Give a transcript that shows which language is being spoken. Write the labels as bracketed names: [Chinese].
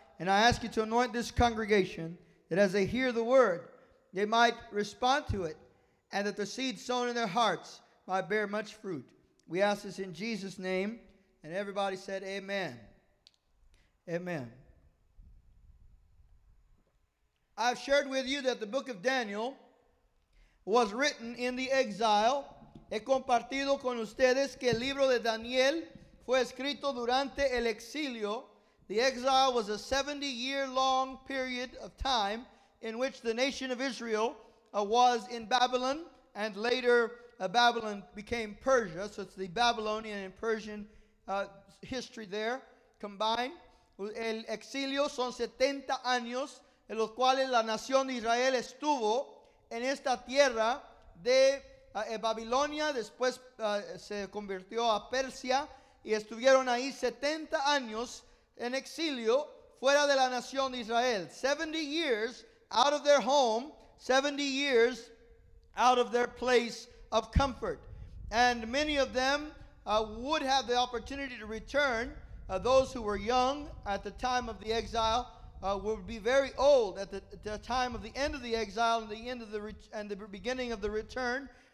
[English] And I ask you to anoint this congregation that as they hear the word, they might respond to it, and that the seed sown in their hearts might bear much fruit. We ask this in Jesus' name. And everybody said amen. Amen. I've shared with you that the book of Daniel was written in the exile. [Spanish] He compartido con ustedes que el libro de Daniel fue escrito durante el exilio. [English] The exile was a 70-year-long period of time in which the nation of Israel was in Babylon, and later Babylon became Persia. So it's the Babylonian and Persian history there combined. [Spanish] El exilio son 70 años en los cuales la nación de Israel estuvo en esta tierra de Babilonia, después se convirtió a Persia, y estuvieron ahí 70 años en exilio fuera de la nación de Israel. [English] 70 years out of their home, 70 years out of their place of comfort. And many of them would have the opportunity to return. Those who were young at the time of the exile would be very old at the time of the end of the exile and the end of the and the beginning of the return.